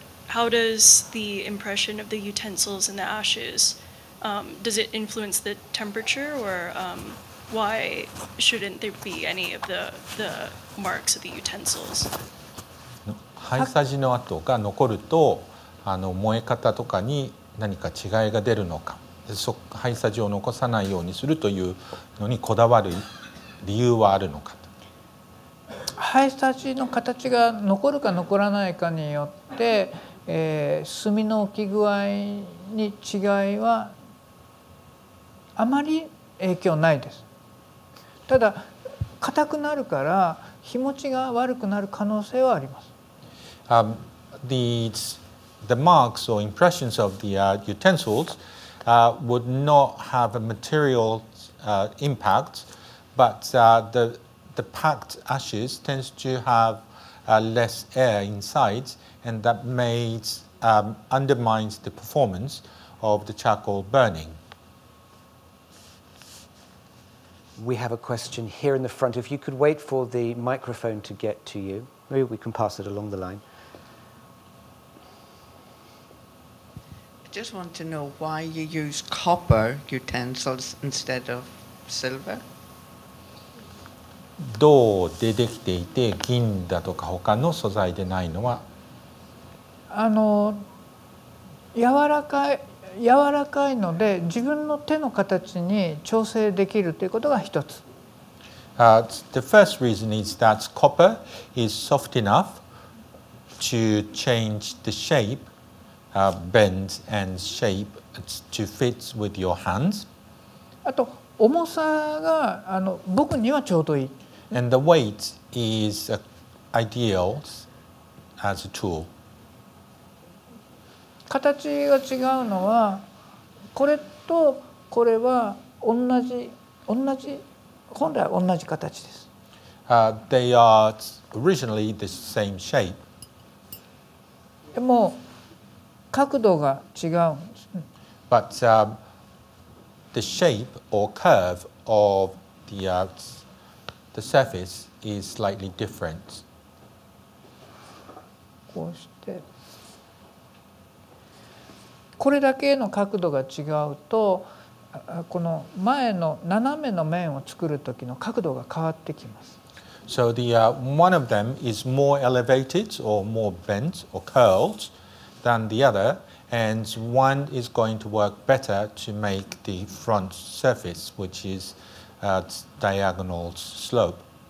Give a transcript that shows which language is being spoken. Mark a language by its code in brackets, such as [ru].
[en] How does the impression of the utensils and the ashes... does it influence the temperature, or why shouldn't there be any of the marks of the utensils? [ja] 灰さじの跡が残ると燃え方とかに何か違いが出るのか、灰さじを残さないようにするというのにこだわる理由はあるのか。灰さじの形が残るか残らないかによって、炭の置き具合に違いはあまり影響ないです。ただ硬くなるから日持ちが悪くなる可能性はあります。 [en] The marks or impressions of the utensils would not have a material impact, but the packed ashes tends to have less air inside, and that may undermines the performance of the charcoal burning. We have a question here in the front. If you could wait for the microphone to get to you, maybe we can pass it along the line. I just want to know why you use copper utensils instead of silver. [ja] 銅でできていて銀だとか他の素材でないのは、柔らかいので自分の手の形に調整できるということが一つ。 [en] The first reason is that copper is soft enough to change the shape, bend and shape to fit with your hands. [ja] あと重さが僕にはちょうどいい。 [en] And the weight is ideal as a tool. [ja] 形が違うのはこれとこれは同じ本来は同じ形です。 [en] They are originally the same shape. [ja] でも角度が違うんです。 [en] But the shape or curve of the surface is slightly different. [ja] こうして。これだけの角度が違うと、この前の斜めの面を作る時の角度が変わってきます。 [en] So the one of them is more elevated or more bent or curled than the other, and one is going to work better to make the front surface, which is diagonal slope.